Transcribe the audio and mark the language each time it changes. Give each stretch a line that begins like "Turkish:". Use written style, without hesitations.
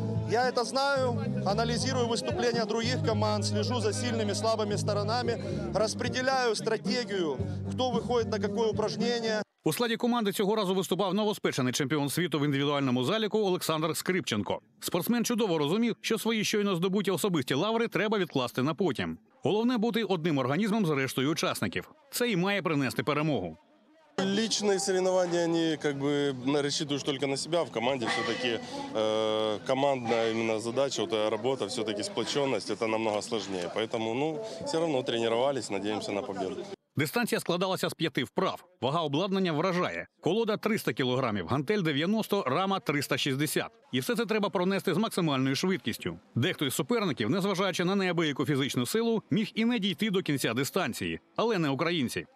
Ukrainian: Я це знаю, аналізую виступлення інших команд, сліжу за сильними, слабими сторонами, розподіляю стратегію, хто виходить на яке упражнення. У складі команди цього разу виступав новоспечений чемпіон світу в індивідуальному заліку Олександр Скрипченко. Спортсмен чудово розумів, що свої щойно здобуті особисті лаври треба відкласти на потім. Головне – бути одним організмом з рештою учасників. Це і має принести перемогу.
Russian: Личные соревнования, они как бы рассчитываешь только на себя. В команде все-таки командная именно задача, вот эта работа, все-таки сплоченность, это намного сложнее. Поэтому, ну, все равно тренировались, надеемся на победу.
Ukrainian: Дистанція складалася з 5 вправ. Вага обладнання вражає. Колода 300 кілограмів, гантель 90, рама 360. І все це треба пронести з максимальною швидкістю. Дехто із суперників, незважаючи на неабияку фізичну силу, міг і не дійти до кінця дистанції. Але не українці.